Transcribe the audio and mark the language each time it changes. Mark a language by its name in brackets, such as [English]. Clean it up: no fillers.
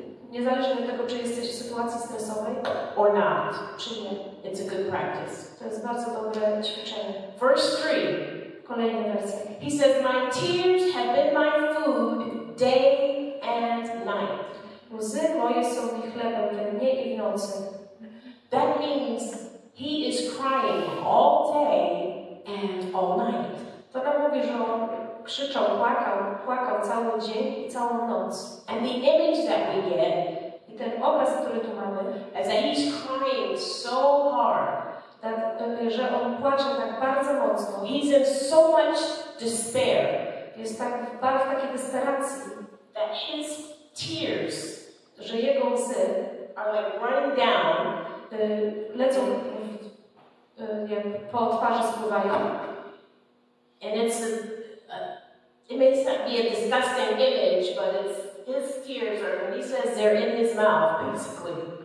[Polish] niezależnie od tego, czy jesteś w sytuacji stresowej, [English] or not, [Polish] czy nie, [English] it's a good practice. [Polish] To jest bardzo dobre ćwiczenie. [English] Verse 3. [Polish] Kolejny werset. [English] He says, my tears have been my food day and night. [Polish] Łzy moje są mi chlebem we dnie i w nocy. [English] That means he is crying all day and all night. [Polish] To nam mówi, że on krzyczał, płakał cały dzień i całą noc. [English] And the image that we get, [Polish] i ten obraz, który tu mamy, [English] is that he's crying so hard. [Polish] Tak, że on płacze tak bardzo mocno. [English] He's in so much despair. [Polish] Jest tak bardzo w takiej desperacji. [English] That his tears, [Polish] że jego łzy [English] are like running down, [Polish] lecą jak po twarzy spływają. [English] And it's a, it may not be a disgusting image, but it's his tears are, when he says they're in his mouth, basically.